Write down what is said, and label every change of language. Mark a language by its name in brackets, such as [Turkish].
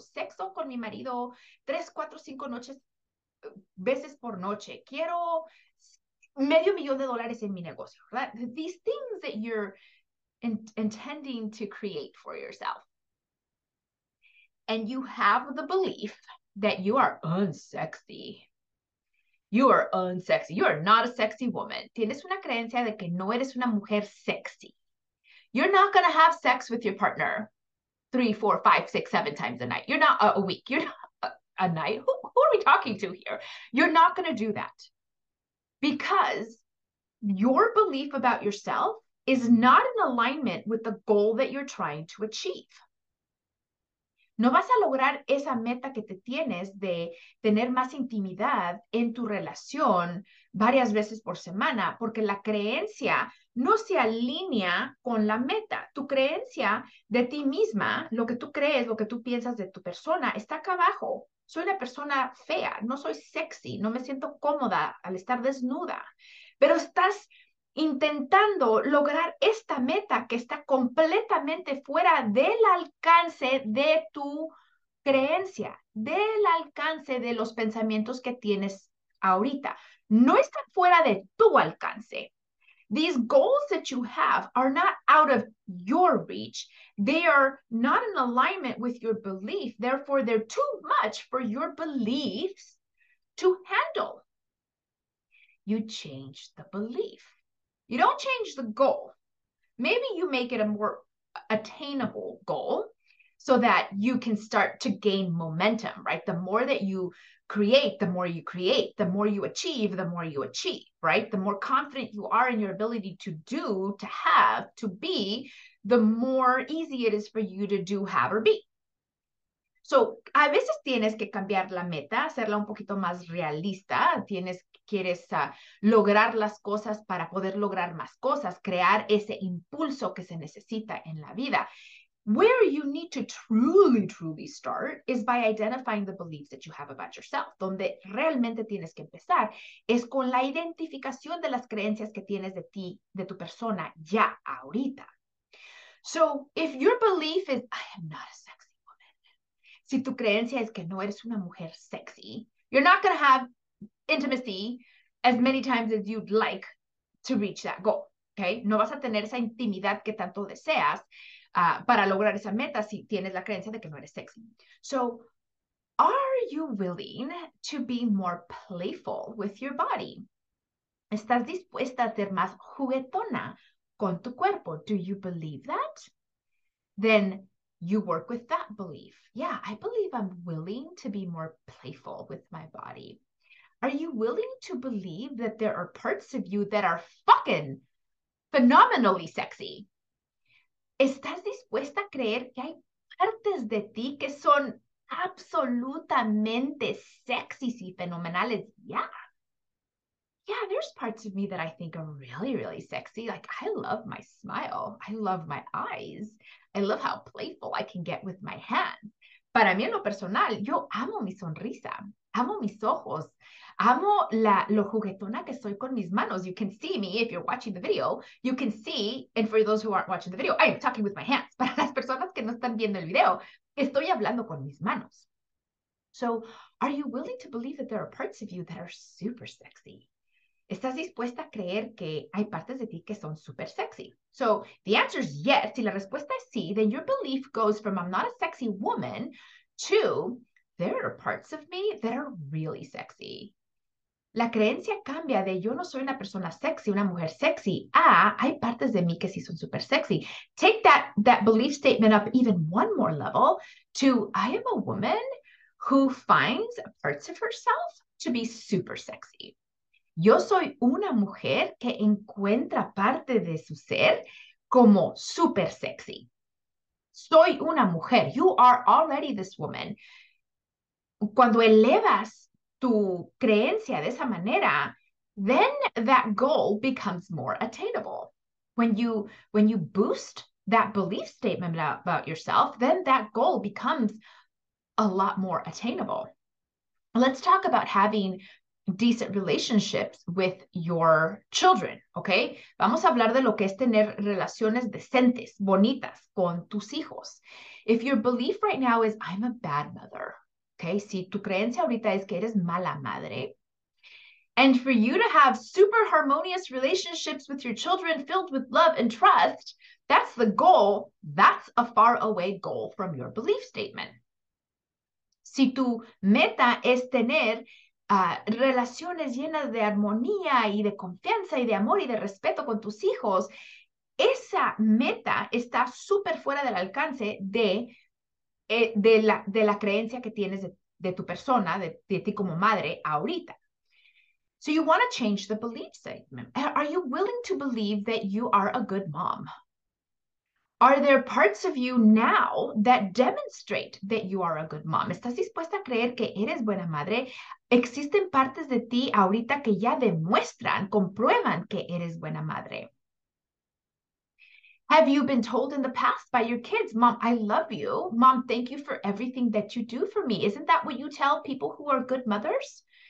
[Spanish] Sexo con mi marido 3, 4, 5 noches, veces por noche. Quiero $500,000 en mi negocio. [English] Right? These things that you're intending to create for yourself. And you have the belief that you are unsexy. You are unsexy. You are not a sexy woman. [Spanish] Tienes una creencia de que no eres una mujer sexy. [English] You're not going to have sex with your partner 3, 4, 5, 6, 7 times a night. You're not a week. You're not a night. Who are we talking to here? You're not going to do that. Because your belief about yourself is not in alignment with the goal that you're trying to achieve. [Spanish] No vas a lograr esa meta que te tienes de tener más intimidad en tu relación varias veces por semana porque la creencia no se alinea con la meta. Tu creencia de ti misma, lo que tú crees, lo que tú piensas de tu persona, está acá abajo. Soy una persona fea, no soy sexy, no me siento cómoda al estar desnuda. Pero estás intentando lograr esta meta que está completamente fuera del alcance de tu creencia, del alcance de los pensamientos que tienes ahorita. No está fuera de tu alcance. [English] These goals that you have are not out of your reach. They are not in alignment with your belief. Therefore, they're too much for your beliefs to handle. You change the belief. You don't change the goal. Maybe you make it a more attainable goal so that you can start to gain momentum, right? The more that you create, the more you create, the more you achieve, the more you achieve, right? The more confident you are in your ability to do, to have, to be, the more easy it is for you to do, have, or be. [Spanish] So, a veces tienes que cambiar la meta, hacerla un poquito más realista. Quieres lograr las cosas para poder lograr más cosas, crear ese impulso que se necesita en la vida. [English] Where you need to truly, truly start is by identifying the beliefs that you have about yourself. [Spanish] Donde realmente tienes que empezar es con la identificación de las creencias que tienes de ti, de tu persona, ya ahorita. [English] So, if your belief is, I am not a sexy woman. [Spanish] Si tu creencia es que no eres una mujer sexy, [English] you're not going to have intimacy as many times as you'd like to reach that goal. Okay? [Spanish] No vas a tener esa intimidad que tanto deseas para lograr esa meta si tienes la creencia de que no eres sexy. [English] So, are you willing to be more playful with your body? [Spanish] ¿Estás dispuesta a ser más juguetona con tu cuerpo? [English] Do you believe that? Then you work with that belief. Yeah, I believe I'm willing to be more playful with my body. Are you willing to believe that there are parts of you that are fucking phenomenally sexy? [Spanish] ¿Estás dispuesta a creer que hay partes de ti que son absolutamente sexy y fenomenales? [English] Yeah. Yeah, there's parts of me that I think are really, really sexy. Like, I love my smile. I love my eyes. I love how playful I can get with my hands. [Spanish] Para mí, en lo personal, yo amo mi sonrisa. Amo mis ojos. Amo lo juguetona que soy con mis manos. [English] You can see me if you're watching the video. You can see, and for those who aren't watching the video, I am talking with my hands. [Spanish] Para las personas que no están viendo el video, estoy hablando con mis manos. [English] So, are you willing to believe that there are parts of you that are super sexy? [Spanish] ¿Estás dispuesta a creer que hay partes de ti que son super sexy? [English] So, the answer is yes. [Spanish] Si la respuesta es sí, [English] then your belief goes from I'm not a sexy woman to there are parts of me that are really sexy. [Spanish] La creencia cambia de yo no soy una persona sexy, una mujer sexy, a hay partes de mí que sí son super sexy. [English] Take that belief statement up even one more level to I am a woman who finds parts of herself to be super sexy. [Spanish] Yo soy una mujer que encuentra parte de su ser como super sexy. Soy una mujer. [English] You are already this woman. [Spanish] Cuando elevas tu creencia de esa manera, [English] then that goal becomes more attainable. When you boost that belief statement about yourself, then that goal becomes a lot more attainable. Let's talk about having decent relationships with your children, okay? [Spanish] Vamos a hablar de lo que es tener relaciones decentes, bonitas, con tus hijos. [English] If your belief right now is, I'm a bad mother, okay? [Spanish] Si tu creencia ahorita es que eres mala madre, [English] and for you to have super harmonious relationships with your children filled with love and trust, that's the goal. That's a far away goal from your belief statement. [Spanish] Si tu meta es tener relaciones llenas de armonía y de confianza y de amor y de respeto con tus hijos, esa meta está súper fuera del alcance de la creencia que tienes de tu persona, de ti como madre, ahorita. [English] So you want to change the belief statement. Are you willing to believe that you are a good mom? Are there parts of you now that demonstrate that you are a good mom? [Spanish] ¿Estás dispuesta a creer que eres buena madre? ¿Existen partes de ti ahorita que ya demuestran, comprueban que eres buena madre? [English] Have you been told in the past by your kids, Mom, I love you. Mom, thank you for everything that you do for me. Isn't that what you tell people who are good mothers?